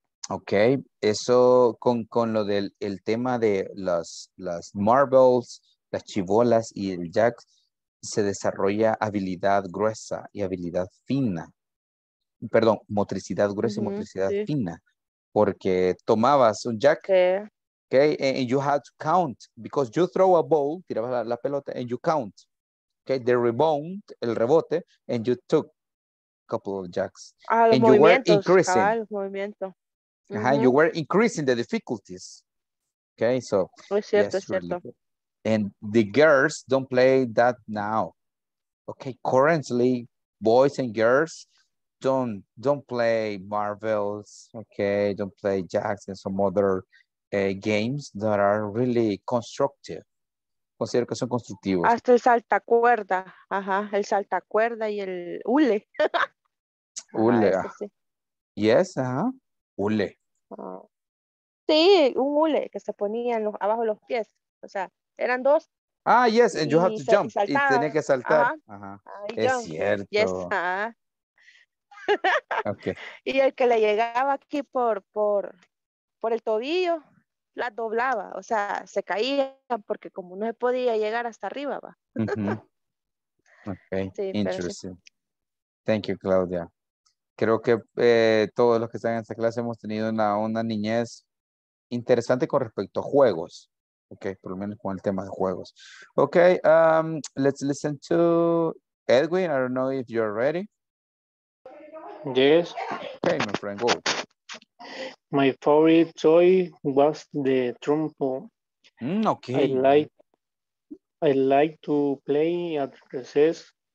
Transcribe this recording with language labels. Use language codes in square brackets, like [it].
[es] Okay, eso con lo del el tema de las marbles, las chivolas y el jacks, se desarrolla habilidad gruesa y habilidad fina. Perdón, motricidad gruesa y motricidad fina, porque tomabas un jack, [en] okay, and you had to count, because you throw a ball, [es] tirabas la pelota, [en] and you count, okay, the rebound, [es] el rebote, [en] and you took a couple of jacks, and you were increasing, and you were increasing the difficulties, okay, so, [es] es cierto, yes, es really cierto. [en] And the girls don't play that now, okay, currently, boys and girls, don't play marbles, okay? Don't play jacks and some other games that are really constructive. [es] Considero que son constructivos. Hasta el saltacuerda, ajá, el saltacuerda y el hule. Hule. Sí. Yes, ajá. Hule. Sí, un hule que se ponía abajo de los pies, o sea, Eran dos. [en] Ah, yes, and you have to jump. [es] Y tenía que saltar. Ajá. Ajá. Es cierto. [en] Yes. Uh-huh. Okay. [es] Y el que le llegaba aquí por el tobillo, la doblaba. O sea, se caía porque como no se podía llegar hasta arriba, va. [en] Uh-huh. Okay, sí, interesting. Sí. Thank you, Claudia. [es] Creo que todos los que están en esta clase hemos tenido una niñez interesante con respecto a juegos. Okay, por lo menos con el tema de juegos. [en] Okay, let's listen to Edwin. I don't know if you're ready. Yes. Okay, my friend, go. My favorite toy was the trombone. Okay. I like to play at recess.